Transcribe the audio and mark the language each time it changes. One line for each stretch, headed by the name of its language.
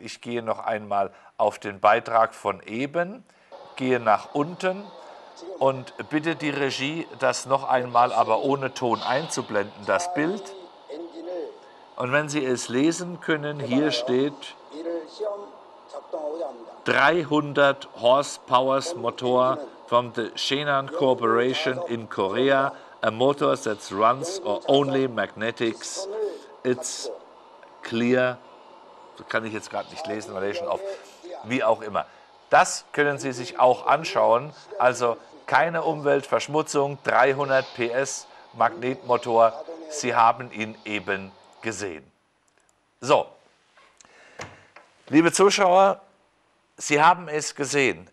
German: Ich gehe noch einmal auf den Beitrag von eben, gehe nach unten und bitte die Regie, das noch einmal, aber ohne Ton einzublenden, das Bild. Und wenn Sie es lesen können, hier steht
English: 300 Horsepower Motor from the Shenan Corporation in Korea. A motor that runs or only magnetics, it's clear.
German: Das kann ich jetzt gerade nicht lesen, weil ich schon auf, wie auch immer. Das können Sie sich auch anschauen. Also keine Umweltverschmutzung, 300 PS Magnetmotor. Sie haben ihn eben gesehen. So, liebe Zuschauer, Sie haben es gesehen.